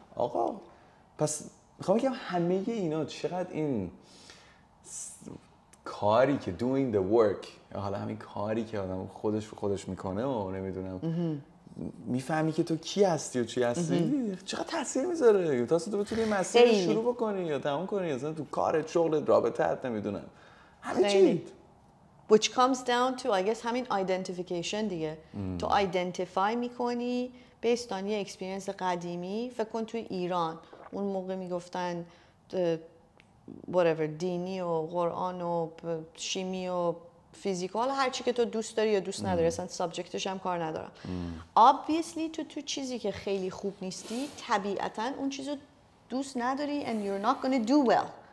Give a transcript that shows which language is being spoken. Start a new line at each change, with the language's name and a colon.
Persian: آقا پس میخوام بگم همه اینا چقدر این کاری که
English: doing the work،
Persian: حالا همین کاری که آدم خودش رو خودش میکنه و نمیدونم میفهمی که تو کی هستی و چی هستی چقدر تاثیر میذاره تا اصلا تو بتونی مسیر شروع بکنی یا تموم کنی اصلا تو کارت، شغلت، رابطت، نمیدونم همه چی.
English: Which comes down to I guess
Persian: همین
English: identification
Persian: دیگه. تو identify میکنی
English: based on
Persian: یه experience قدیمی. فکر کن تو ایران اون موقع میگفتن
English: whatever
Persian: دینی و قرآن و شیمی و فیزیکال هر چی که تو دوست داری یا دوست نداری، اصلا سابجکتش هم کار ندارم. Obviously تو چیزی که خیلی خوب نیستی طبیعتا اون چیزو دوست نداری
English: and you're not gonna do well.